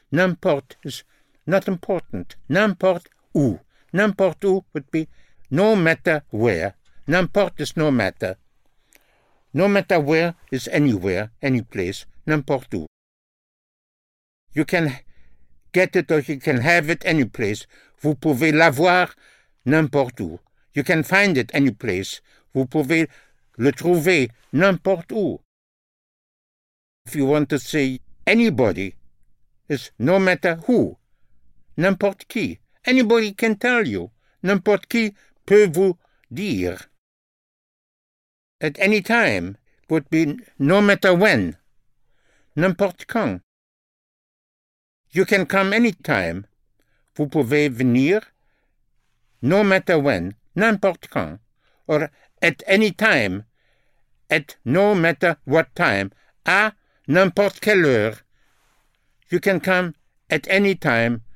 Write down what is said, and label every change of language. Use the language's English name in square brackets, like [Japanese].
[English] N'importe is not important. [French] N'importe où [English] would be no matter where. N'importe is no matter. No matter where is anywhere, any place. [French] N'importe où. [English] You can get it or you can have it any place. [French] Vous pouvez l'avoir n'importe où. [English] You can find it any place. [French] Vous pouvez le trouver n'importe où. [English] If you want to say anybody, it's no matter who. [French] N'importe qui. [English] Anybody can tell you. [French] N'importe qui peut vous dire. [English] At any time would be no matter when. [French] N'importe quand. [English] You can come any time. [French] Vous pouvez venir [English] no matter when. [French] N'importe quand. [English] Or at any time. At no matter what time. [French] À n'importe quelle heure. [English] You can come at any time.